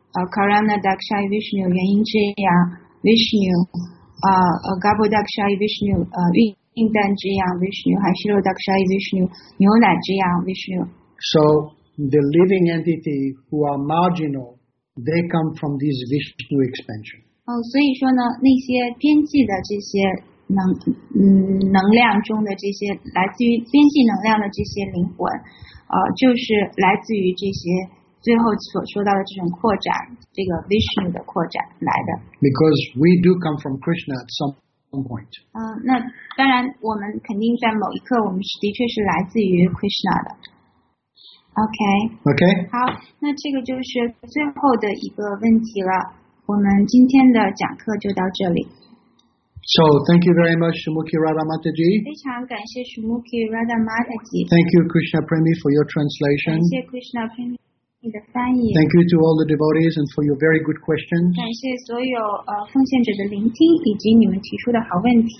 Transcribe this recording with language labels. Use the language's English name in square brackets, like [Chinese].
[Sanskrit] Karana Dakshaya Vishnu, Yanjaya Vishnu, Gabo Dakshaya Vishnu, Yindan Jaya Vishnu, Hashiro Dakshaya Vishnu, Nyona Jaya Vishnu. [English] So the living entity who are marginal, they come from this Vishnu expansion. [Chinese] 所以说呢，那些边际的这些能量中的这些来自于边际能量的这些灵魂，就是来自于这些。最后所说到的这种扩展，这个 Vishnu 的扩展来的。 [English] Because we do come from Krishna at some point. [Chinese] 那当然，我们肯定在某一刻，我们是的确是来自于 Krishna 的。Okay. [English] Okay. [Chinese] 好，那这个就是最后的一个问题了。我们今天的讲课就到这里。 [English] So thank you very much, Shumukhi Radha Mataji. [Chinese] 非常感谢 Shumukhi Radha Mataji. [English] Thank you, Krishna Premi, for your translation. [Chinese] 感谢 Krishna Premi. [English] Thank you to all the devotees and for your very good questions. [Chinese] 感谢所有奉献者的聆听以及你们提出的好问题。